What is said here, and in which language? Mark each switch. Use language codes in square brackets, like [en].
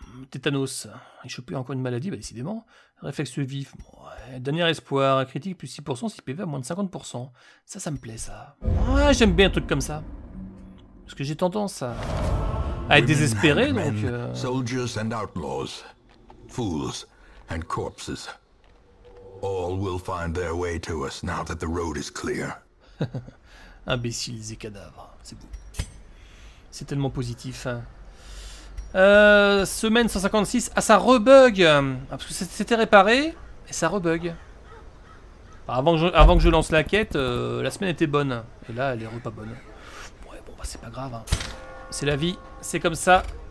[fr] Tétanos. Il chope encore une maladie, bah décidément. Réflexe vif. Dernier espoir, critique plus 6%, 6 PV à moins de 50%. Ça me plaît, ça. Ouais, j'aime bien un truc comme ça. Parce que j'ai tendance à être désespéré, donc... [en] Soldiers and outlaws, fools and corpses. All will find their way to us now that the road is clear. [fr] Imbéciles et cadavres, c'est beau. C'est tellement positif. Semaine 156, ah ça rebug. Ah, parce que c'était réparé. Et ça rebug. Avant que je lance la quête, la semaine était bonne. Et là, elle est pas bonne. Ouais, bon, bah, c'est pas grave. Hein. C'est la vie. C'est comme ça.